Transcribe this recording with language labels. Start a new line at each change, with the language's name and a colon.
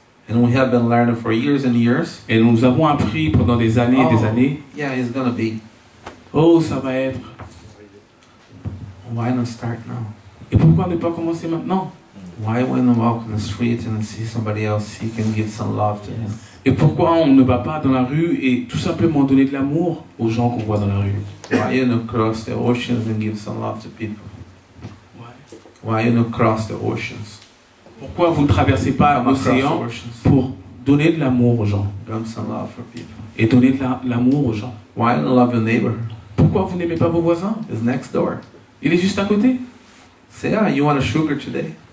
English: And we have been learning for years and years.
French: Et nous avons appris pendant des années et des années.
English: Yeah, it's gonna be.
French: Oh, ça va être.
English: Why not start now?
French: Et pourquoi ne pas commencer maintenant?
English: Why when I walk in the street and see somebody else sick and give some love to him?
French: Et pourquoi on ne va pas dans la rue et tout simplement donner de l'amour aux gens qu'on voit dans la rue?
English: Why you not cross the oceans and give some love to people? Why you not cross the oceans?
French: Pourquoi vous ne traversez pas l'océan pour donner de l'amour aux gens?
English: Give some love for people.
French: Et donner de l'amour aux gens.
English: Why you not love your neighbor?
French: Pourquoi vous n'aimez pas vos voisins?
English: It's next door.
French: Il est juste à côté.
English: Say, ah, you want a sugar today?